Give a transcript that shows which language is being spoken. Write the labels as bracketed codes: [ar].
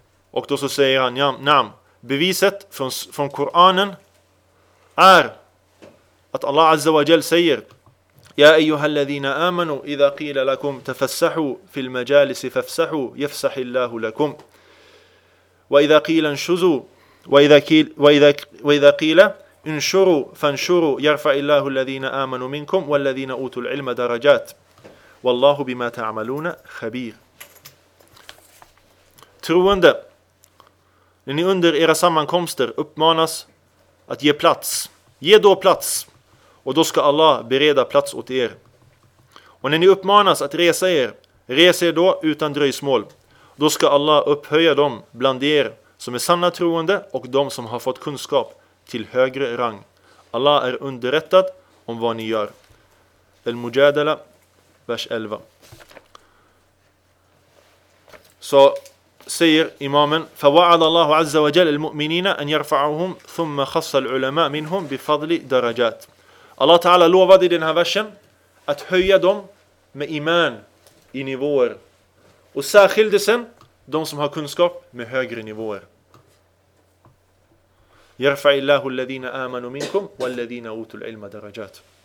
[sv] Och då så säger han: "Nam, beviset från Koranen är att Allah azza wa jalla säger: [ar] Ya ayyuhalladhina amanu idha qila lakum tafassahu fil majalis fafsahu yafsahillahu lakum. وإذا قيل انشزوا وإذا قيل انشروا فانشروا يرفع الله الذين آمنوا منكم والذين أوتوا العلم درجات والله بما تعملون خبير." [sv] Troende, när ni under era sammankomster uppmanas att ge plats, ge då plats och då ska Allah bereda plats åt er. Och när ni uppmanas att resa er då utan dröjsmål. Då ska Allah upphöja dem bland er som är sanna troende och de som har fått kunskap till högre rang. Allah är underrättad om vad ni gör. Al-Mujadala, vers 11. Så säger imamen [ar] فَوَعَدَ اللَّهُ عَزَّ وَجَلَ الْمُؤْمِنِينَ أَنْ يَرْفَعُهُمْ ثُمَّ خَصَّ الْعُلَمَا مِنْهُمْ بِفَضْلِ دَرَجَاتِ. [sv] Allah Ta'ala lovade i den här versen att höja dem med iman i nivåer. Och särskilde sen de som har kunskap med högre nivåer. [ar] يَرْفَعِ اللَّهُ الَّذِينَ آمَنُوا مِنْكُمْ وَالَّذِينَ أُوتُوا الْعِلْمَ دَرَجَاتِ.